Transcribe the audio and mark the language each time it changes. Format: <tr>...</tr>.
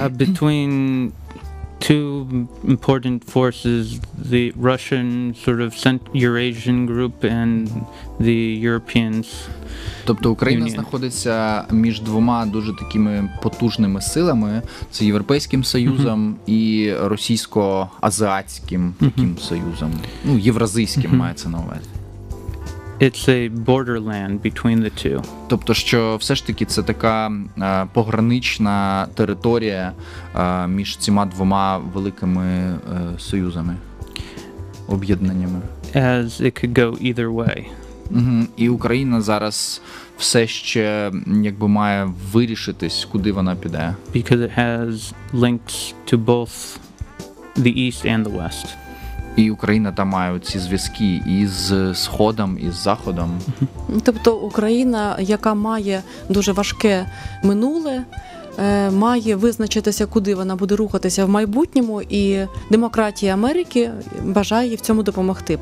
<en>Between two important forces, the Russian sort of Eurasian group and the Europeans.</en> <uk>Тобто Україна знаходиться між двома дуже такими потужними силами. Це Європейським Союзом і Російсько-Азіатським таким союзом. Ну, Євразійським мається на увазі.</uk> <en>It's a borderland between the two.</en> <uk>Тобто, що все ж таки це така погранична територія між цими двома великими союзами, об'єднаннями.</uk> <en>As it could go either way.</en> <uk>І Україна зараз все ще якби має вирішитись, куди вона піде.</uk> <en>Because it has links to both the East and the West.</en> <uk>І Україна там має ці зв'язки із Сходом, із Заходом. Тобто Україна, яка має дуже важке минуле, має визначитися, куди вона буде рухатися в майбутньому, і демократія Америки бажає їй в цьому допомогти.</uk>